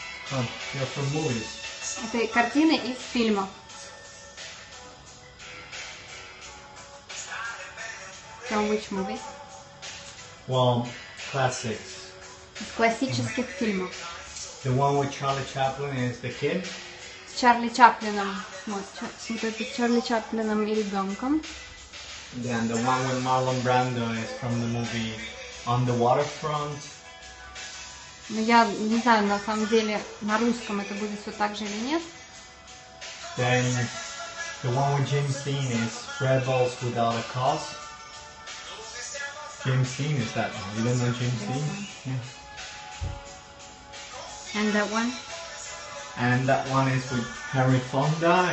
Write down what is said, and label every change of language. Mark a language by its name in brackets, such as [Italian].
[English] You're from movies. [Russian] Это картины из фильмов. [English] From which movies? Well, classics. [Russian] Из классических фильмов. [English] The one with Charlie Chaplin is the kid? [Russian] С Чарли Чаплином. Вот это с Чарли Чаплином и ребенком. [English] Then the one with Marlon Brando is from the movie On the Waterfront. [Russian] Ну я не знаю, на самом деле, на русском это будет все так же или нет. [English] Then the one with James Dean is Rebels Without a Cause. James Dean is that one. You don't know James Dean? Yeah. And that one? And that one is with Harry Fonda.